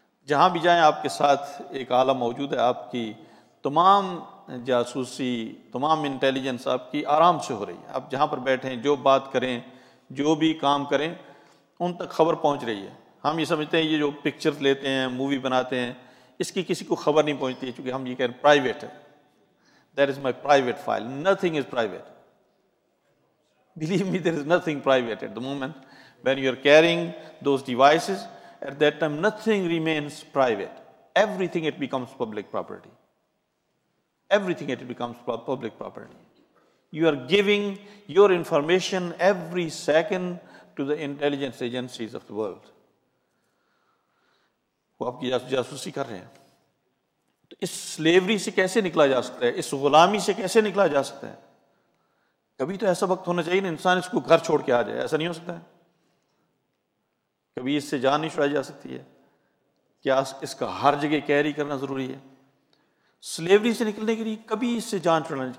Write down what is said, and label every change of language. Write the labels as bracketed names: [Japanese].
[Urdu] جہاں بھی جائیں آپ کے ساتھ ایک آلہ موجود ہے، آپ کی تمام جاسوسی، تمام انٹیلیجنس آپ کی آرام سے ہو رہی ہے. آپ جہاں پر بیٹھیں، جو بات کریں، جو بھی کام کریں، ان تک خبر پہنچ رہی ہے. ہم یہ سمجھتے ہیں یہ جو پکچر لیتے ہیں، مووی بناتے ہیں، اس کی کسی کو خبر نہیں پہنچتی ہے، چونکہ ہم یہ کہہ رہے ہیں پرائیویٹ ہے، [English] That is my private file. Nothing is private, believe me, there is nothing private at the moment when you are carrying those devices. At that time nothing remains private, everything it becomes public property. Everything it becomes public property. You are giving your information every second to the intelligence agencies of the world. [Urdu] وہ آپ کی جاسوسی کر رہے ہیں. تو اس slavery سے کیسے نکلا جا سکتا ہے، اس غلامی سے کیسے نکلا جا سکتا ہے؟ کبھی تو ایسا وقت ہونا چاہیے نا انسان اس کو گھر چھوڑ کے آ جائے، ایسا نہیں ہو سکتا ہے. کبھی اس سے جان نہیں چھڑائی جا سکتی ہے. کیا اس کا ہر جگہ کیری کرنا ضروری ہے؟ سلیوری سے نکلنے کے لیے کبھی اس سے جان چھوڑنا چاہیے.